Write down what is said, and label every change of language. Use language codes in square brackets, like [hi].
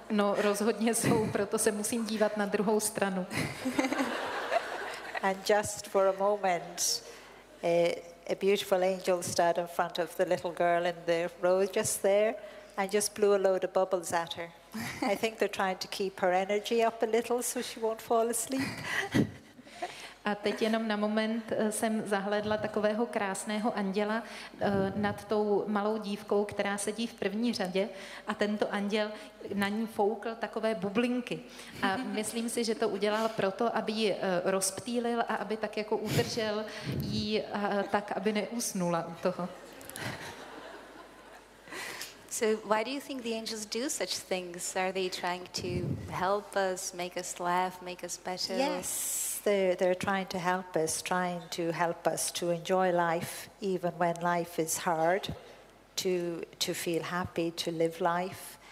[cs] No, rozhodně jsou, proto se musím dívat na druhou stranu. [en] And just for a moment, a beautiful angel stood in front of the little girl in the row just there and just blew a load of bubbles at her. I think they're trying to keep her energy up a little so she won't fall asleep. [cs] A teď jenom na moment jsem zahlédla takového krásného anděla nad tou malou dívkou, která sedí v první řadě, a tento anděl na ní foukl takové bublinky. A myslím si, že to udělal proto, aby ji rozptýlil a aby tak jako udržel ji tak, aby neusnula u toho. [en] So why do you think the angels do such things? Are they trying to help us, make us laugh, make us better? Yes. They're trying to help us, to enjoy life even when life is hard, to feel happy, to live life.